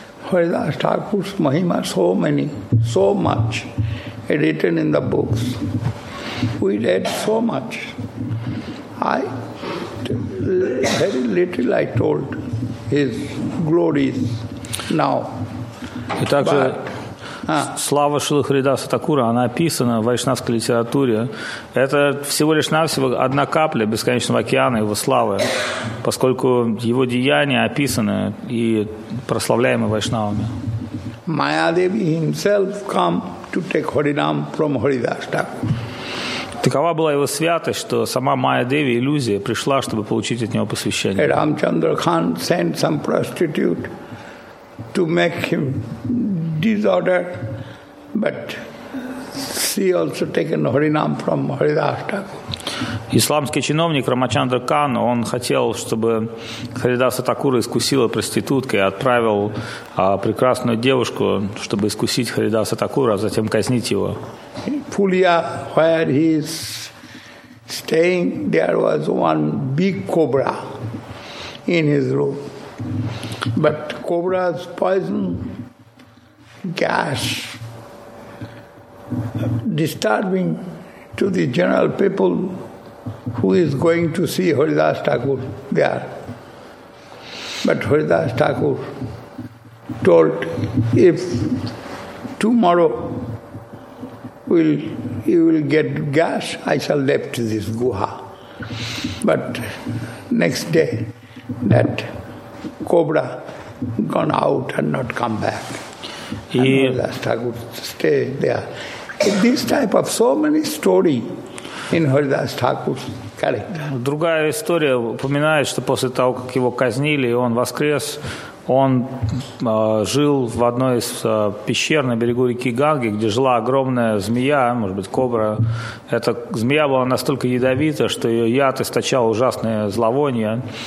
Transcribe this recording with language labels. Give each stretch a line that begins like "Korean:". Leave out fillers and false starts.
English: Haridas Thakur's mahima so many, so much written in the books. We read so much. Very little I told his glories now.
Russian: И также слава Шилы Харидаса Такура, она описана в вайшнавской литературе. Это всего лишь навсего одна капля бесконечного океана его славы, поскольку его деяния описаны и прославляемы вайшнавами.
English: Mayadevi himself come to take Harinam from Haridas Thakur.
Russian: Такова была его святость, что сама Майя Деви, иллюзия, пришла, чтобы получить от него посвящение.
English: Рамчандра Хан sent some prostitute to make him disorder, but she also taken Haridam from Haridas Thakur.
Russian: Исламский чиновник Рамачандра Кан, он хотел, чтобы Харидаса Такура искусила проституткой, отправил прекрасную девушку, чтобы искусить Харидаса Такура, а затем казнить его.
English: Пулья, where he is staying, there was one big cobra in his room. But cobra's poison gas disturbing to the general people who is going to see Haridas Thakur there. But Haridas Thakur told, if tomorrow you will get gas, I shall left this guha. But next day, that cobra gone out and not come back. Haridas Thakur stay there. This type of so many story in Haridas Thakur.
Russian: Другая история упоминает, что после того, как его казнили, он воскрес, он жил в одной из пещер на берегу реки Ганги, где жила огромная змея, может быть, кобра. Эта змея была настолько ядовита, что ее яд источал ужасное зловоние.